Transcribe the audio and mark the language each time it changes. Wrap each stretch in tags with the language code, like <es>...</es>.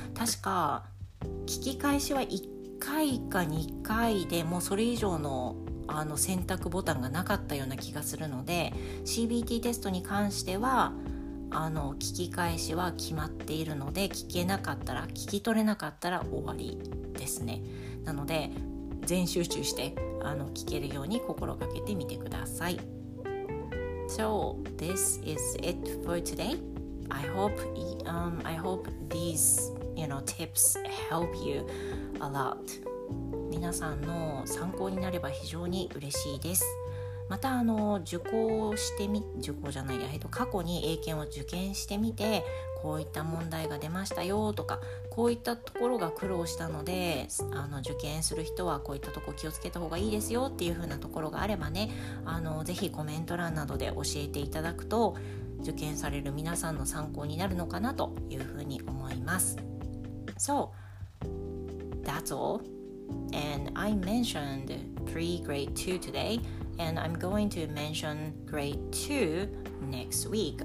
<ja>確か聞き返しは1回か2回でもうそれ以上の選択ボタンがなかったような気がするので、 CBT テストに関しては聞き返しは決まっているので、聞けなかったら聞き取れなかったら終わりですね。なので全集中して聞けるように心がけてみてください。</ja> <en>So this is it for today. I hope these tips help you a lot.</en> <ja>皆さんの参考になれば非常に嬉しいです。また過去に英検を受験してみて、こういった問題が出ましたよとか、こういったところが苦労したので受験する人はこういったとこ気をつけた方がいいですよっていう風なところがあればね、ぜひコメント欄などで教えていただくと、受験される皆さんの参考になるのかなという風に思います。</ja> <en>So that's all, and I mentioned pre-grade 2 todayAnd I'm going to mention grade 2 next week.</en>